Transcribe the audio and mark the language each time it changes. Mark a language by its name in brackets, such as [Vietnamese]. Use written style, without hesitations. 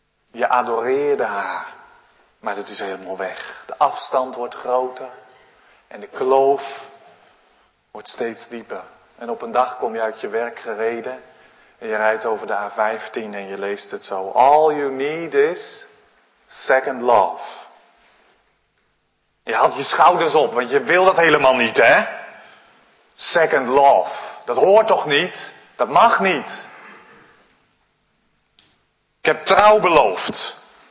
[Dutch] Je adoreerde haar. Maar dat is helemaal weg. De afstand wordt groter. En de kloof wordt steeds dieper. En op een dag kom je uit je werk gereden. En je rijdt over de A15 en je leest het zo. [English] All you need is second love. [Dutch] Je haalt je schouders op, want je wil dat helemaal niet, hè? [English] Second love. [Dutch] Dat hoort toch niet? Dat mag niet. Ik heb trouw beloofd.